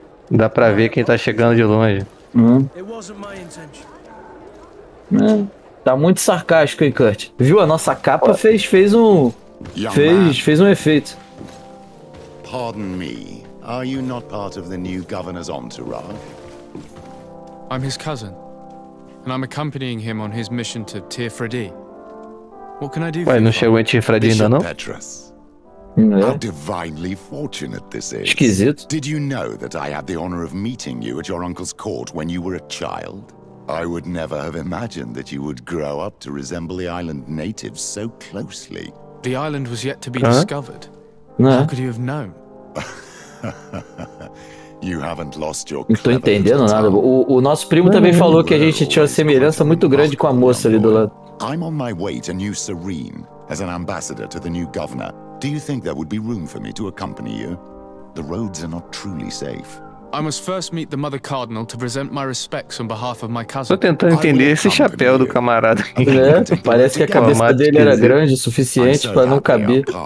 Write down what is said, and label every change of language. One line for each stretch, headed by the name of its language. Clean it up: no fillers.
Portuguese: Dá pra ver quem tá chegando de longe. Tá muito sarcástico, hein, Kurt? Viu? A nossa capa fez um efeito.
English: Pardon me. Are you not part of the new governor's entourage? I'm his cousin, and I'm accompanying him on his mission to Tirfredi. What can I do for you?
Portuguese: Não chegou em Tirfredi ainda, não?
English: Petrus. How divinely fortunate this is.
Portuguese: Esquisito.
English: Did you know that I had the honor of meeting you at your uncle's court when you were a child? I would never have imagined that you would grow up to resemble the island natives so closely. The island was yet to be discovered.
Portuguese: Não.
English: How could you have known? You haven't lost your
Portuguese: não tô entendendo nada. O nosso primo também falou que a gente tinha uma semelhança muito grande com a moça ali do lado.
English: I'm on my way to New Serene as an ambassador to the new governor. Do you think there would be room for me to accompany you? The roads are not truly safe. I must first meet the mother cardinal to present my respects on behalf of my cousin.
Portuguese: Tô tentando entender esse chapéu do camarada. É, parece que a cabeça dele era grande o suficiente para não caber.